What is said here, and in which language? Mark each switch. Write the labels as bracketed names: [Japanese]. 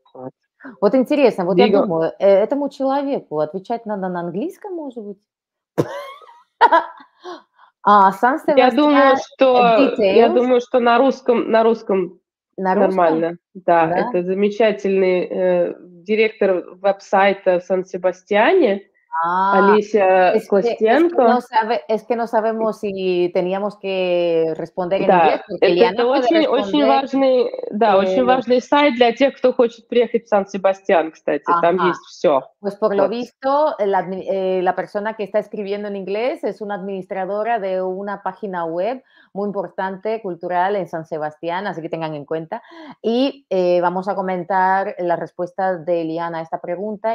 [Russian] Вот, вот интересно, вот Диго. Я думаю, этому человеку отвечать надо на английском, может быть? А, сам себя... Я думаю, что, на русском на нормально. Русском? Да, да, это замечательный директор веб-сайта в Сан-Себастьяне. [Spanish] Alicia Kostenko. Es que no sabemos si teníamos que responder en inglés. [Russian] Это очень, очень важный, да, очень важный сайт для тех, кто хочет приехать в Сан-Себастьян, кстати. Ajá. Там есть все. [Spanish] Pues por lo visto, la persona que está escribiendo en inglés es una administradora de una página web muy importante, cultural, en San Sebastián, así que tengan en cuenta. Y vamos a comentar la respuesta de Liana a esta pregunta.